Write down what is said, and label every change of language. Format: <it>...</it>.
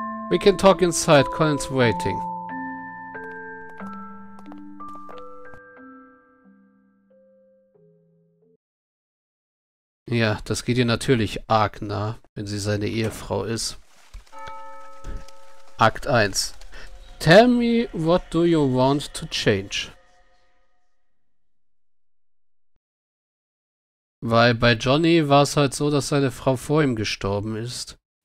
<en>We can talk inside, Colin's waiting.</en> <de>Ja, das geht ihr natürlich arg nah, wenn sie seine Ehefrau ist. Akt 1.</de> <en>Tell me, what do you want to change?</en> <de>Weil bei Johnny war es halt so, dass seine Frau vor ihm gestorben ist.</de>